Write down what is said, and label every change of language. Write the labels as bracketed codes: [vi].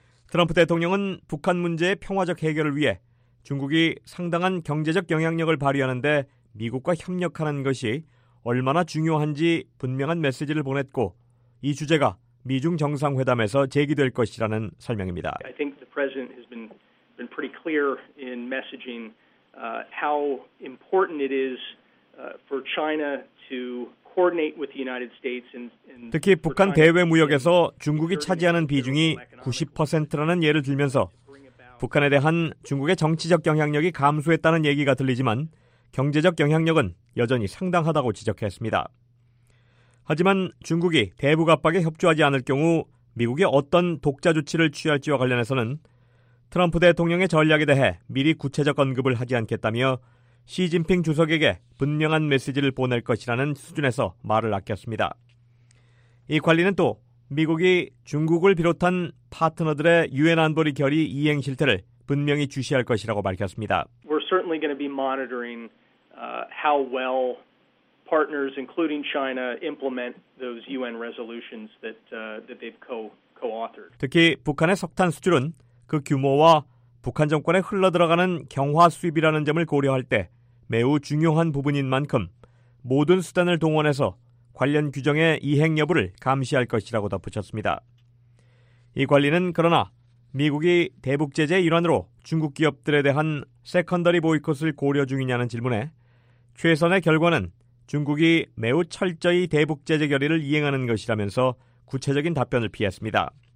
[ko] 트럼프 대통령은 북한 문제의 평화적 해결을 위해 중국이 상당한 경제적 영향력을 발휘하는데 미국과 협력하는 것이 얼마나 중요한지 분명한 메시지를 보냈고 이 주제가 미중 정상회담에서 제기될 것이라는 설명입니다. [en] I think the president has been pretty clear in messaging how important it is for China to coordinate with the United States. [ko] 특히 북한 대외무역에서 중국이 차지하는 비중이 90%라는 예를 들면서 북한에 대한 중국의 정치적 영향력이 감소했다는 얘기가 들리지만 경제적 영향력은 여전히 상당하다고 지적했습니다. 하지만 중국이 대북 압박에 협조하지 않을 경우 미국이 어떤 독자 조치를 취할지와 관련해서는 트럼프 대통령의 전략에 대해 미리 구체적 언급을 하지 않겠다며 시진핑 주석에게 분명한 메시지를 보낼 것이라는 수준에서 말을 아꼈습니다. 이 관리는 또 미국이 중국을 비롯한 파트너들의 유엔 안보리 결의 이행 실태를 분명히 주시할 것이라고 밝혔습니다. [en] We're certainly going to be monitoring how well partners including China implement those UN resolutions that they've co-authored. [ko] 특히 북한의 석탄 수출은 그 규모와 북한 정권에 흘러들어가는 경화 수입이라는 점을 고려할 때 매우 중요한 부분인 만큼 모든 수단을 동원해서 관련 규정의 이행 여부를 감시할 것이라고 덧붙였습니다. 이 관리는 그러나 미국이 대북 제재 일환으로 중국 기업들에 대한 세컨더리 보이콧을 고려 중이냐는 질문에 최선의 결과는 중국이 매우 철저히 대북 제재 결의를 이행하는 것이라면서 구체적인 답변을 피했습니다.